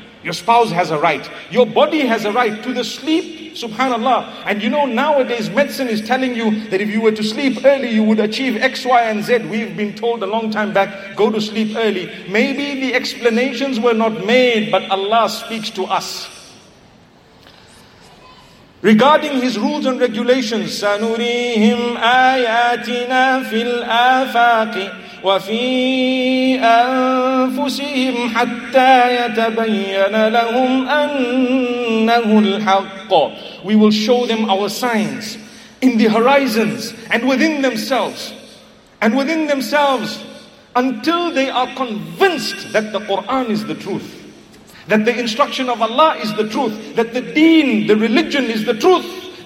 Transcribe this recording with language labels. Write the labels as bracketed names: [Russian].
[English] Your spouse has a right. Your body has a right to the sleep, subhanAllah. And you know, nowadays medicine is telling you that if you were to sleep early, you would achieve X, Y, and Z. We've been told a long time back, go to sleep early. Maybe the explanations were not made, but Allah speaks to us. Regarding his rules and regulations, [Arabic] سَنُرِيهِمْ آيَاتِنَا فِي الْآفَاقِ وَفِي أَنفُسِهِمْ حَتَّى يَتَبَيَّنَ لَهُمْ أَنَّهُ الْحَقُّ. [English] We will show them our signs in the horizons and within themselves. And within themselves until they are convinced that the Qur'an is the truth. That the instruction of Allah is the truth. That the deen, the religion is the truth.